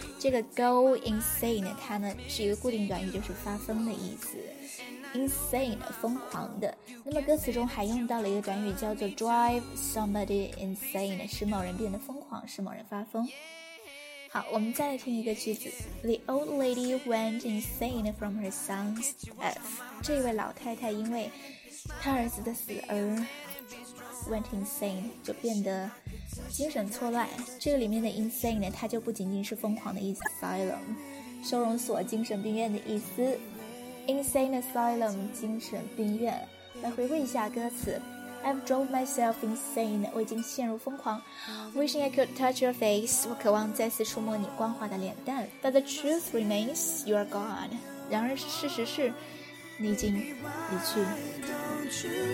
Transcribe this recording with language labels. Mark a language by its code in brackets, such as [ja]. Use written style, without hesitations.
[zh] 这个 go insane 它呢是一个固定短语，就是发疯的意思。 insane 疯狂的。那么歌词中还用到了一个短语叫做 drive somebody insane， 使某人变得疯狂，使某人发疯。好，我们再来听一个句子。 [en] The old lady went insane from her son's death。 [zh] 这位老太太因为她儿子的死而went insane， 就变得精神错乱。这个里面的 insane 呢，它就不仅仅是疯狂的意思， asylum 收容所、精神病院的意思， insane asylum 精神病院。来回顾一下歌词。 [en] I've drove myself insane， [zh] 我已经陷入疯狂。 [en] Wishing I could touch your face， [zh] 我渴望再次触摸你光滑的脸蛋。 [en] But the truth remains you are gone， [zh] 然而事实是你已经离去。